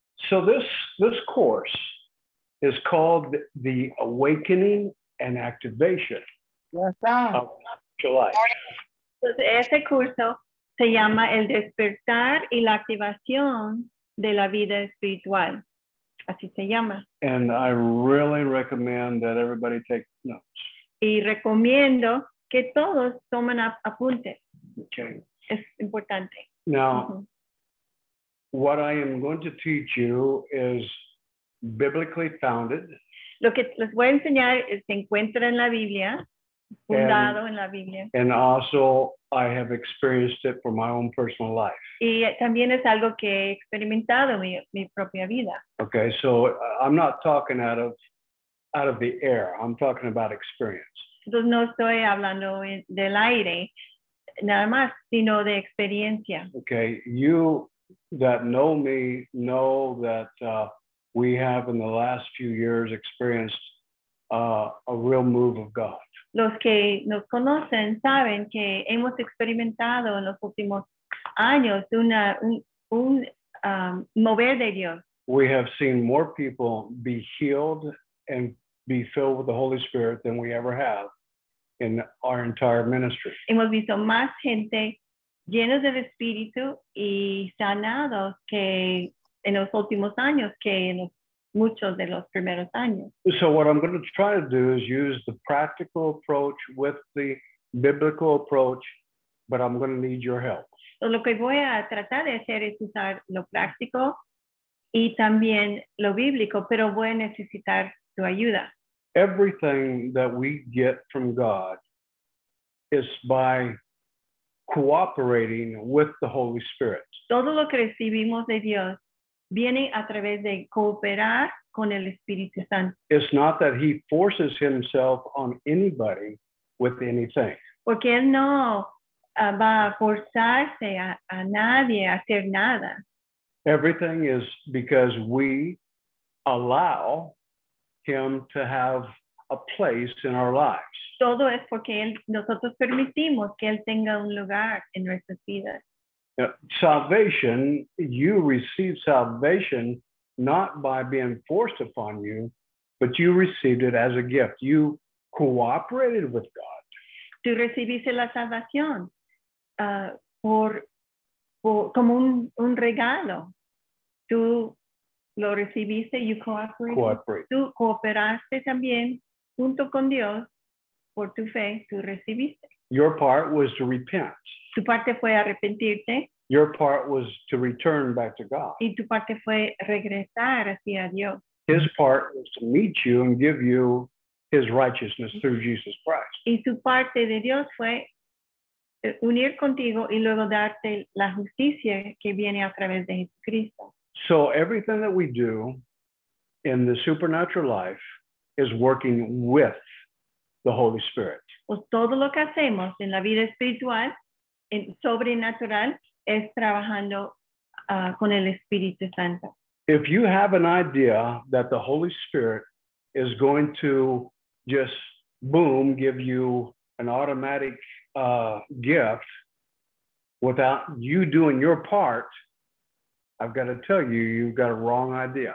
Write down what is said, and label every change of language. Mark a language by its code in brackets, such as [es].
[en] So this course is called the Awakening and Activation. Yes, sir. Of July. [es] Entonces, ese curso se llama El Despertar y la Activación de la Vida Espiritual. Así se llama. [en] And I really recommend that everybody take notes. [es] Y recomiendo que todos tomen apuntes. [en] Okay. [es] Es importante. [en] Now, what I am going to teach you is biblically founded. [es] Lo que les voy a enseñar es, se encuentra en la Biblia. Fundado en la Biblia. [en] And also, I have experienced it for my own personal life. [es] Y también es algo que he experimentado en mi propia vida. [en] Okay, so I'm not talking out of the air. I'm talking about experience. [es] Entonces no estoy hablando del aire, nada más, sino de experiencia. [en] Okay, you that know me know that we have in the last few years experienced a real move of God. [es] Los que nos conocen saben que hemos experimentado en los últimos años mover de Dios. [en] We have seen more people be healed and be filled with the Holy Spirit than we ever have in our entire ministry. [es] Hemos visto más gente llenos del Espíritu y sanados que en los últimos años que en los muchos de los primeros años. [en] So what I'm going to try to do is use the practical approach with the biblical approach, but I'm going to need your help. [es] So lo que voy a tratar de hacer es usar lo práctico y también lo bíblico, pero voy a necesitar tu ayuda. [en] Everything that we get from God is by cooperating with the Holy Spirit. [es] Todo lo que recibimos de Dios viene a través de cooperar con el Espíritu Santo. [en] It's not that he forces himself on anybody with anything. [es] Porque él no va a forzarse a nadie a hacer nada. [en] Everything is because we allow him to have a place in our lives. [es] Todo es porque nosotros permitimos que él tenga un lugar en nuestras vidas. [en] Salvation, you receive salvation not by being forced upon you, but you received it as a gift. You cooperated with God. [es] Tú recibiste la salvación como un regalo. Tú lo recibiste, [en] you cooperated. [es] Tú cooperaste también junto con Dios por tu fe, tú recibiste. [en] Your part was to repent. [es] Tu parte fue arrepentirte. [en] Your part was to return back to God. [es] Y tu parte fue regresar hacia Dios. [en] His part was to meet you and give you his righteousness through Jesus Christ. [es] Y tu parte de Dios fue unir contigo y luego darte la justicia que viene a través de Jesucristo. [en] So everything that we do in the supernatural life is working with the Holy Spirit. [es] Pues todo lo que hacemos en la vida espiritual, en sobrenatural, es trabajando con el Espíritu Santo. [en] If you have an idea that the Holy Spirit is going to just boom, give you an automatic gift without you doing your part, I've got to tell you, you've got a wrong idea.